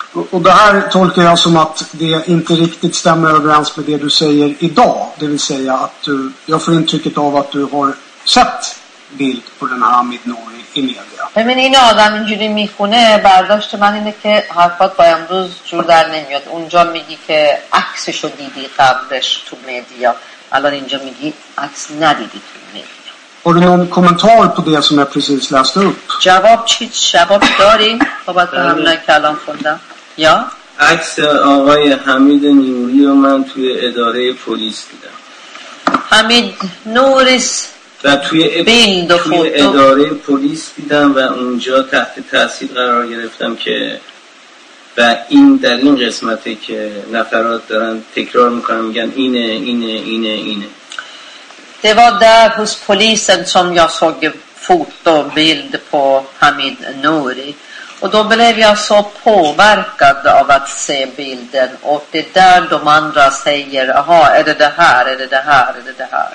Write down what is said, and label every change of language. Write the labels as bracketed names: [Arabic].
[Swedish] Och det här tolkar jag som att det inte riktigt stämmer överens med det du säger idag. Det vill säga att du, jag får intrycket av att du har sett bild på den här Midnori i media. [Persian] Men این آدم اینجوری میخونه برداشت من اینه که حرفات با امروز جور در نمیاد. اونجا میگی که عکسشو دیدی قبلش تو مدیا. الان اینجا میگی عکس ندیدی تو مدیا. [Swedish] Har du någon kommentar på det som jag precis läste upp? Jawab chit, jawab dari. Bobat hamna kalam funda. Ja. [Persian] عکس آقای حمید نوری رو من توی اداره پلیس دیدم. حمید نوریس و توی اداره پلیس دیدم و اونجا تحت تاثیر قرار گرفتم که و این در این قسمته که نفرات دارن تکرار میکنن میگن اینه اینه اینه اینه. [Swedish] Det var där hos polisen som jag såg fotobild på Hamid Nouri. Och då blev jag så påverkad av att se bilden. Och det är där de andra säger, aha, är det det här, är det det här, är det det här.